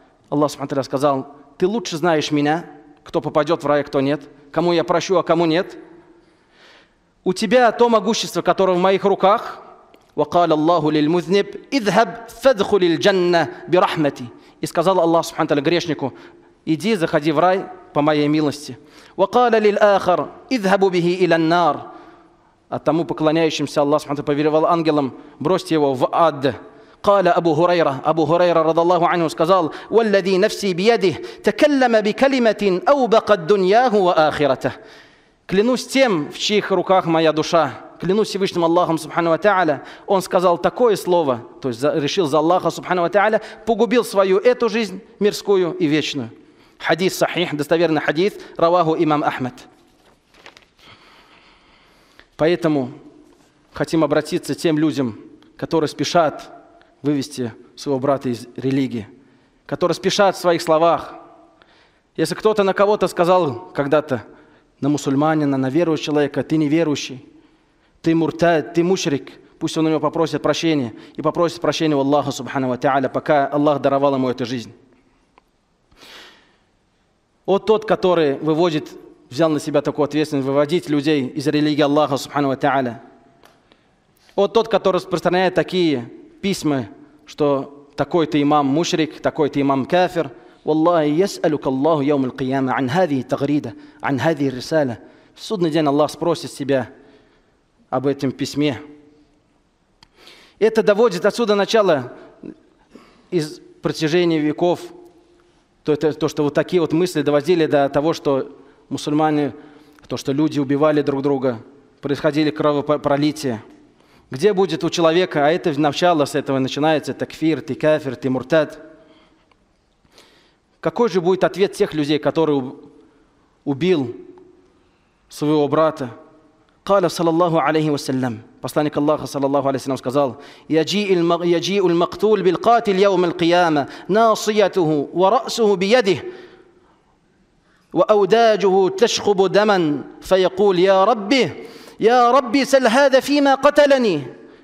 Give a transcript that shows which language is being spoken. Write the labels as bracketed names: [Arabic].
[Russian] Аллах Субхана Та'аля сказал: ты лучше знаешь меня, кто попадет в рай, кто нет, кому я прощу, а кому нет. У тебя то могущество, которое в моих руках. [Arabic] وقال الله للمذنب اذهب فادخل الجنة برحمتي. [Russian] И сказал Аллах Субхана Та'аля грешнику: иди, заходи в рай по моей милости. [Arabic] وقال للآخر اذهب به إلى النار. [Russian] А тому поклоняющимся Аллах Субхана Та'аля повелевал ангелам: бросьте его в ад. [Arabic] قال أبو هريرة, أبو هريرة رضي الله عنه сказал: والذي نفسي بيده تكلم بكلمة أوبقت دنياه وآخرته. [Russian] Клянусь тем, в чьих руках моя душа, клянусь Всевышним Аллахом, Субхану ва Та'аля, он сказал такое слово, то есть решил за Аллаха, Субхану ва Та'аля, погубил свою эту жизнь, мирскую и вечную. Хадис сахих, достоверный хадис, раваху имам Ахмад. Поэтому хотим обратиться к тем людям, которые спешат вывести своего брата из религии, которые спешат в своих словах. Если кто-то на кого-то сказал когда-то, на мусульманина, на верующего человека: ты неверующий, ты муртад, ты мушрик, пусть он у него попросит прощения, и попросит прощения у Аллаха Субхана ва Та'аля, пока Аллах даровал ему эту жизнь. Вот тот, который выводит, взял на себя такую ответственность, выводить людей из религии Аллаха Субхана ва Та'аля. Вот тот, который распространяет такие письма, что такой-то имам мушрик, такой-то имам кафир. [Arabic] والله يسألك الله يوم القيامة عن هذه التغريدة عن هذه الرسالة. [Russian] В судный день Аллах спросит себя об этом письме. Это доводит отсюда начало из протяжения веков, то что вот такие вот мысли доводили до того, что мусульмане, то что люди убивали друг друга, происходили кровопролития. Где будет у человека, а это начало с этого начинается, такфир, ты кафир, ты муртад. Какой же будет ответ тех людей, которые убил своего брата? [Arabic] قال صلى الله عليه وسلم. [Russian] Посланник Аллаха صلى الله عليه وسلم сказал: [Arabic] يجيء المقتول بالقاتل يوم القيامة ناصيته ورأسه بيده وأوداجه تشخب دما فيقول يا ربي يا ربي سل هذا فيما قتلني.